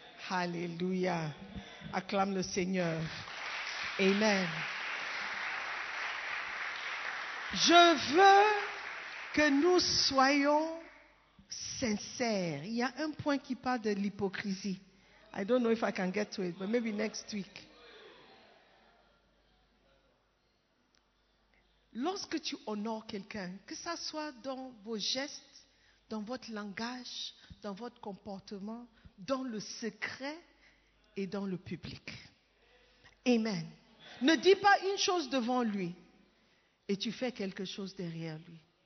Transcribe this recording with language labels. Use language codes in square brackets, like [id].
[fr] Alléluia. Acclame le Seigneur. Amen. Je veux que nous soyons sincères. Il y a un point qui parle de l'hypocrisie. [en] I don't know if I can get to it, but maybe next week. [fr] Lorsque tu honores quelqu'un, que ce soit dans vos gestes, dans votre langage, dans votre comportement, dans le secret et dans le public. Amen. Ne dis pas une chose devant lui et tu fais quelque chose derrière lui.